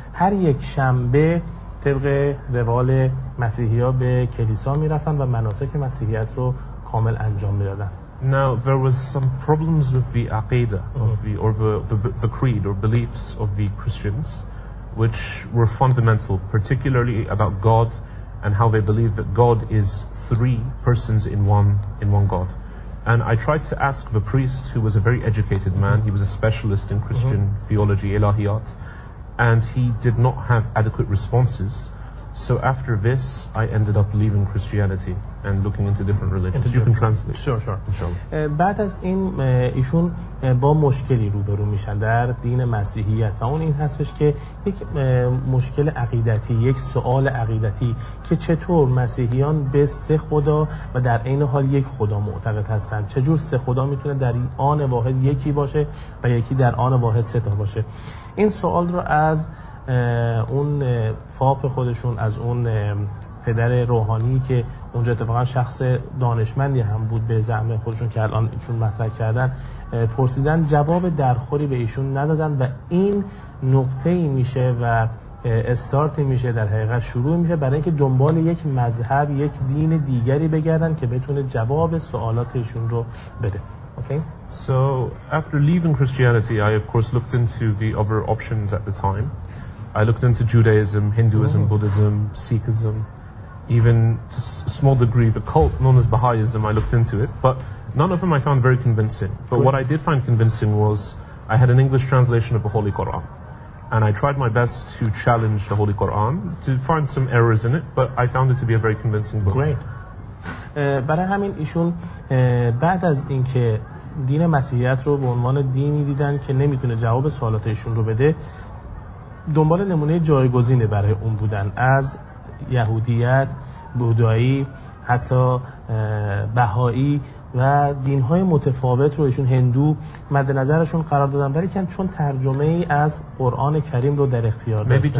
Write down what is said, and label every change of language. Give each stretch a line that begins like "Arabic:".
Persian: هر یک شنبه طبق روال مسیحی‌ها به کلیسا می‌رفتن و مناسک مسیحیت رو کامل انجام می‌دادن.
English: Now there was some problems with the aqidah or the creed or beliefs of the Christians, which were fundamental, particularly about God and how they believe that God is three persons in one God. And I tried to ask the priest, who was a very educated man. He was a specialist in Christian theology, ilahiyat, and he did not have adequate responses. So after this, I ended up leaving Christianity and looking into different religions. You can translate. Sure.
Persian: بعد از این ایشون با مشکلی روبرو میشن در دین مسیحیت و اون این هستش که یک مشکل عقیدتی، یک سوال عقیدتی که چطور مسیحیان به سه خدا و در این حال یک خدا معتقد هستن، چجور سه خدا میتونه در این آن واحد یکی باشه و یکی در آن واحد سه تا باشه. این سوال رو از اون فاپ خودشون، از اون پدر روحانی که اونجا اتفاقا شخص دانشمندی هم بود به زعم خودشون که الان ایشون مطرح کردن، پرسیدن، جواب درخوری به ایشون ندادن و این نقطه‌ای میشه و استارتی میشه، در حقیقت شروع میشه برای اینکه دنبال یک مذهب، یک دین دیگری بگردن که بتونه جواب سوالاتشون رو بده.
English: Okay? So after leaving Christianity, I of course looked into the other options at the time. I looked into Judaism, Hinduism, Buddhism, Sikhism, even to a small degree the cult known as Baha'ism, I looked into it, but none of them I found very convincing. But what I did find convincing was I had an English translation of the Holy Quran, and I tried my best to challenge the Holy Quran to find some errors in it, but I found it to be a very convincing book. Great.
Persian: برای همین ایشون بعد از اینکه دین مسیحیت رو به عنوان دینی دیدن که نمیتونه جواب سوالات ایشون رو بده، دنبال نمونه جایگزینه برای اون بودن، از یهودیت، بودایی، حتی بهایی و دین‌های متفاوت رو ایشون هندو مد نظرشون قرار دادن، بلکه چون ترجمه ای از قرآن کریم رو در اختیار داشتن.